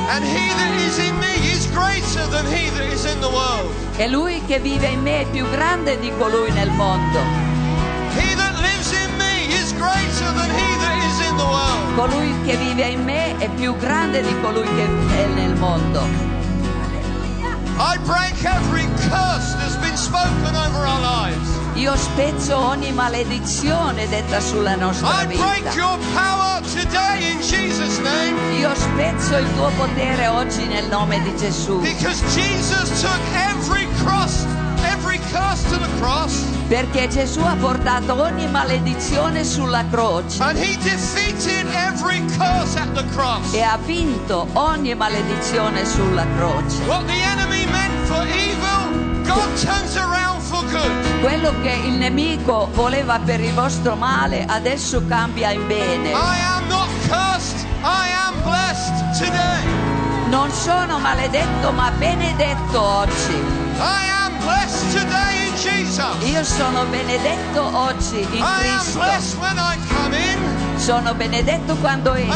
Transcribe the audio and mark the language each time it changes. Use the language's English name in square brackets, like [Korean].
[English] And he that is in me is greater than he that is in the world. [Italian] E lui che vive in me è più grande di colui nel mondo. [English] He that lives in me is greater than he that is in the world. [Italian] Colui che vive in me è più grande di colui che è nel mondo. [English] I break every curse that's been spoken over our lives. [Italian] Io spezzo ogni maledizione detta sulla nostra vita. [English] I break your power today in Jesus' name. [Italian] Io spezzo il tuo potere oggi nel nome di Gesù. [English] Because Jesus took every curse to the cross. [Italian] Perché Gesù ha portato ogni maledizione sulla croce. [English] And he defeated every curse at the cross. [Italian] E ha vinto ogni maledizione sulla croce. [English] What the enemy meant for evil, God turns around for good. [Italian] Quello che il nemico voleva per il vostro male, adesso cambia in bene. [English] I am not cursed, I am blessed today. [Italian] Non sono maledetto, ma benedetto oggi. [English] I am blessed today. [Italian] Io sono benedetto oggi in Cristo. [English] I am blessed when I come in. [Italian] Sono benedetto quando entro.